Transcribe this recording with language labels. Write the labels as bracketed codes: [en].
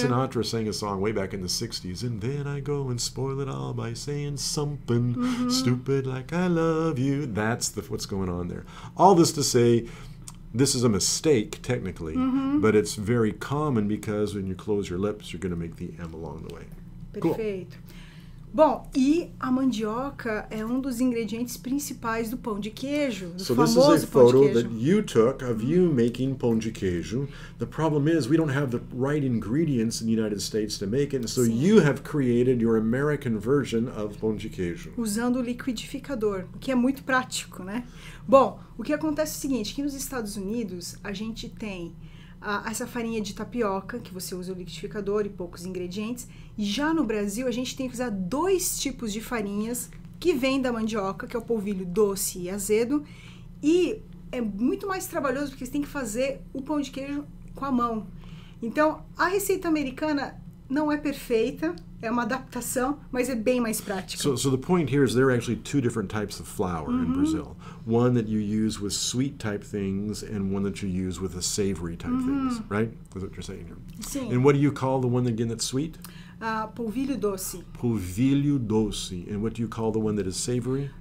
[en] Sinatra sang a song way back in the 60s. And then I go and spoil it all by saying something stupid like I love you. That's what's going on there. All this to say, this is a mistake technically, but it's very common because when you close your lips, you're going to make the M along the way. Cool. [pt] Perfeito. Bom, e a mandioca é um dos ingredientes principais do pão de queijo, do [en] So this is a [pt] famoso pão [en] photo [pt] queijo. [en] you took of you making pão de queijo. The problem is we don't have the right ingredients in the United States to make it, and so [pt] Sim. [en] you have created your American version of pão de queijo. [pt] Usando o liquidificador, o que é muito prático, né? Bom, o que acontece é o seguinte, que nos Estados Unidos a gente tem essa farinha de tapioca, que você usa o liquidificador e poucos ingredientes. Já no Brasil, a gente tem que usar dois tipos de farinhas que vêm da mandioca, que é o polvilho doce e azedo. E é muito mais trabalhoso porque você tem que fazer o pão de queijo com a mão. Então, a receita americana não é perfeita, é uma adaptação, mas é bem mais prática. [en] So the point here is there are actually two different types of flour in Brazil. One that you use with sweet type things and one that you use with the savory type things, right? Is what you're saying here. [pt] Sim. [en] And what do you call the one again that's sweet? [pt] Polvilho doce. Polvilho doce. [en] And what do you call the one that is savory?